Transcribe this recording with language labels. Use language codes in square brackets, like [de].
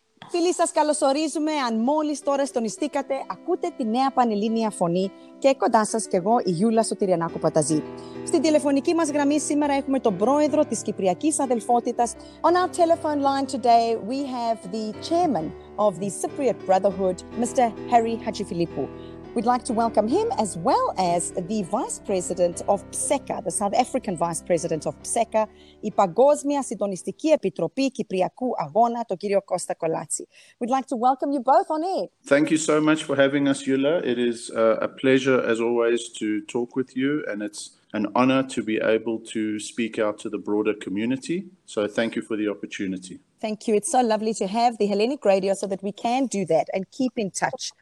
[el] Φίλοι σας, καλωσορίζουμε. Αν μόλις τώρα συντονιστήκατε, ακούτε τη νέα πανελλήνια φωνή και κοντά σας και εγώ, η Γιούλα Σωτηριανάκου Παταζή. Στην τηλεφωνική μας γραμμή σήμερα έχουμε τον πρόεδρο της Κυπριακής Αδελφότητας. [en] On our telephone line today, we have the chairman of the Cypriot Brotherhood, Mr. Harry Hadjifilippou. We'd like to welcome him as well as the Vice President of PSECA, the South African Vice President of PSECA, [el] η Παγκόσμια Συντονιστική Επιτροπή Κυπριακού Αγώνα, τον κύριο Κώστα Κολάτσι. [en] We'd like to welcome you both on air. Thank you so much for having us, Yula. It is a pleasure as always to talk with you, and it's an honor to be able to speak out to the broader community. So thank you for the opportunity. Thank you. It's so lovely to have the Hellenic Radio so that we can do that and keep in touch.